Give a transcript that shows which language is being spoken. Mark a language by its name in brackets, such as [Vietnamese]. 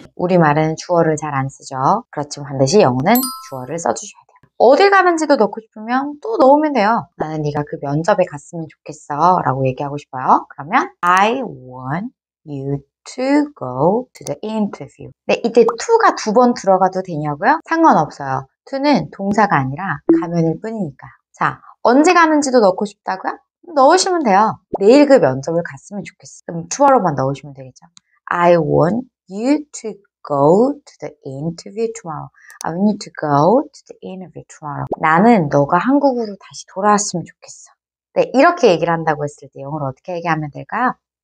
[Korean] 우리말은 주어를 잘안 쓰죠. 그렇지만 반드시 영어는 주어를 써주셔야 돼요. 어딜 가는지도 넣고 싶으면 또 넣으면 돼요. 나는 네가 그 면접에 갔으면 좋겠어 라고 얘기하고 싶어요. 그러면 [English] I want you to go to the interview. [Korean] 네, 이때 to가 두번 들어가도 되냐고요? 상관없어요. to는 동사가 아니라 가면일 뿐이니까요. 자, 언제 가는지도 넣고 싶다고요? 넣으시면 돼요. 내일 그 면접을 갔으면 좋겠어. 그럼 tomorrow만 넣으시면 되겠죠. [English] I want you to go to the interview tomorrow. I want you to go to the interview tomorrow. [Korean] 나는 너가 한국으로 다시 돌아왔으면 좋겠어. 네, 이렇게 얘기를 한다고 했을 때 영어로 어떻게 얘기하면 될까요?